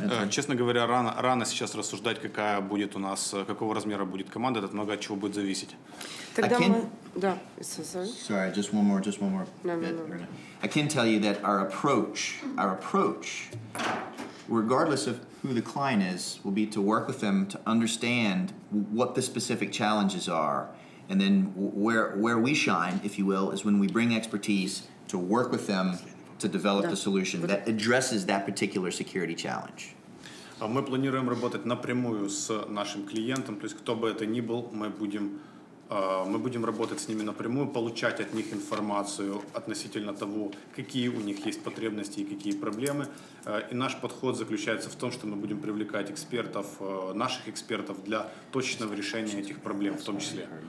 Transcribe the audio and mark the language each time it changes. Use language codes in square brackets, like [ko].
[ru] Честно говоря, рано сейчас рассуждать, какая будет у нас, какого размера будет команда, это много от чего будет зависеть. Тогда мы... Да, [en] sorry, just one more. No. I can tell you that our approach, regardless of who the client is, will be to work with them to understand what the specific challenges are, and then where we shine, if you will, is when we bring expertise to work with them to develop the solution that addresses that particular security challenge. [ru] Мы планируем работать напрямую с нашим клиентом, то есть кто бы это ни был, мы будем работать с ними напрямую, получать от них информацию относительно того, какие у них есть потребности и какие проблемы. И наш подход заключается в том, что мы будем привлекать экспертов, наших экспертов для точного решения этих проблем в том числе.